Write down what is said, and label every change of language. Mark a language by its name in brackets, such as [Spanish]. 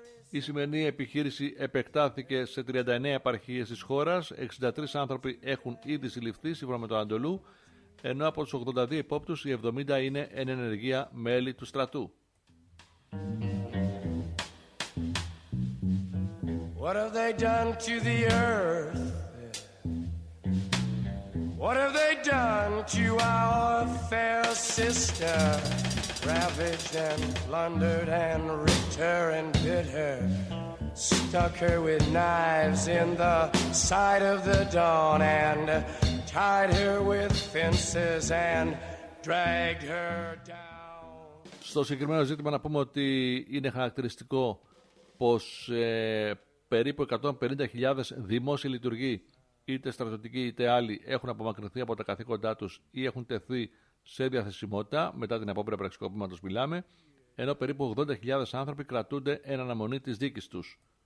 [Greek] Η σημερινή επιχείρηση επεκτάθηκε σε 39 επαρχίες της χώρας. 63 άνθρωποι έχουν ήδη συλληφθεί σύμφωνα με το Αντολού, ενώ από τους 82 υπόπτους οι 70 είναι εν ενεργεία μέλη του στρατού. [English] What have they done to the earth? What have they done to our fair sister? Ravaged and plundered and ripped her and bit her, stuck her with knives in the side of the dawn and tied her with fences and dragged her down. [Greek] Στο συγκεκριμένο ζήτημα να πούμε ότι είναι χαρακτηριστικό πως περίπου 150.000 δημόσιοι λειτουργοί, είτε στρατιωτικοί είτε άλλοι, έχουν απομακρυνθεί από τα καθήκοντά τους ή έχουν τεθεί σε διαθεσιμότητα, μετά την απόπειρα πραξικόπηματος μιλάμε, ενώ περίπου 80.000 άνθρωποι κρατούνται εν αναμονή της δίκης τους.